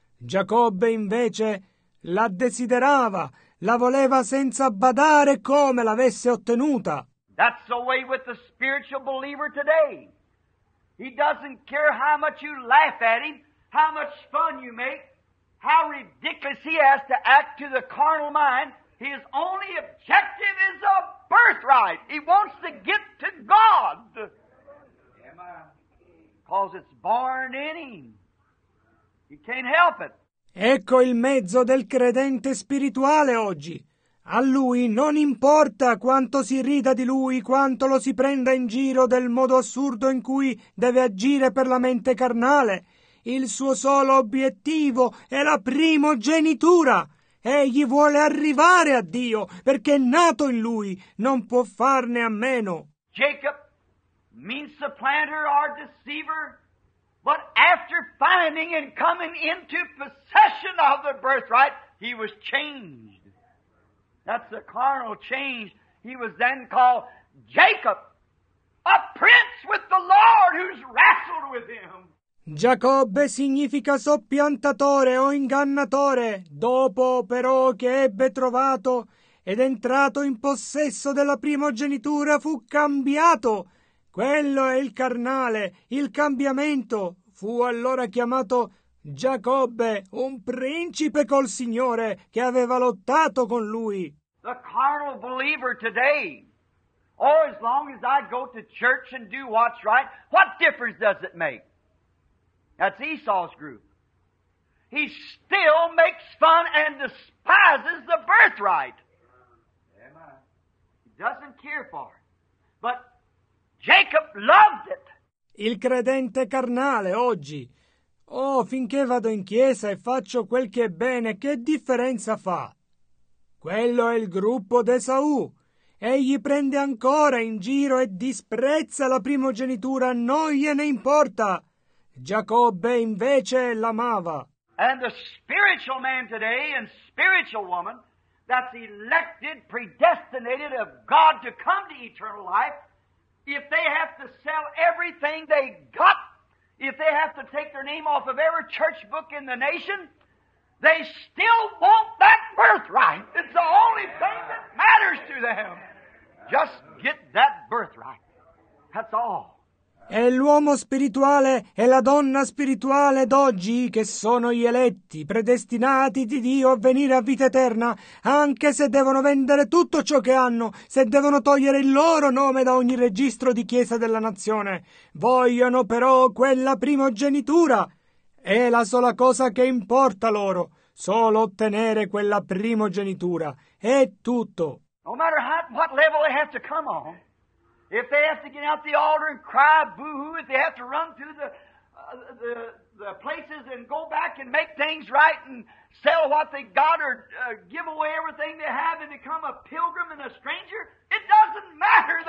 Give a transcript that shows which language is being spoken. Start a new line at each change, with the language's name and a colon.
Italian: Giacobbe invece la desiderava, la voleva senza badare come l'avesse ottenuta.
English: That's the way with the spiritual believer today. He doesn't care how much you laugh at him, how much fun you make, how ridiculous he has to act to the carnal mind. His only objective is a birthright. He wants to get to God. Because it's born in him. He can't help it.
Italian: Ecco il mezzo del credente spirituale oggi. A lui non importa quanto si rida di lui, quanto lo si prenda in giro del modo assurdo in cui deve agire per la mente carnale. Il suo solo obiettivo è la primogenitura. Egli vuole arrivare a Dio perché è nato in lui, non può farne a meno.
English: Jacob, mean supplanter or deceiver, but after finding and coming into possession of the birthright, he was changed. That's a carnal change. He was then called Jacob, a prince with the Lord who's wrestled with him.
Italian: Giacobbe significa soppiantatore o ingannatore. Dopo però che ebbe trovato ed entrato in possesso della primogenitura fu cambiato. Quello è il carnale, il cambiamento. Fu allora chiamato Giacobbe, un principe col Signore che aveva lottato con lui.
English: The carnal believer today, oh, as long as I go to church and do what's right, what difference does it make? That's Esau's group. He still makes fun and despises the birthright. He doesn't care for it. But Jacob loved it.
Italian: Il credente carnale oggi. Oh, finché vado in chiesa e faccio quel che è bene, che differenza fa? Quello è il gruppo d'Esaù. Egli prende ancora in giro e disprezza la primogenitura, non gliene importa. Giacobbe invece l'amava.
English: And the spiritual man today and spiritual woman that's elected, predestinated of God to come to eternal life, if they have to sell everything they got, if they have to take their name off of every church book in the nation, they still want that birthright. It's the only thing that matters to them. Just get that birthright. That's all.
Italian: E l'uomo spirituale e la donna spirituale d'oggi, che sono gli eletti, predestinati di Dio a venire a vita eterna, anche se devono vendere tutto ciò che hanno, se devono togliere il loro nome da ogni registro di chiesa della nazione, vogliono però quella primogenitura. È la sola cosa che importa loro, solo ottenere quella primogenitura. È tutto.
English: No matter what level they have to come on, if they have to get out the altar and cry boo-hoo, if they have to run through the places and go back and make things right and sell what they got or give away everything they have and become a pilgrim and a stranger, it doesn't matter.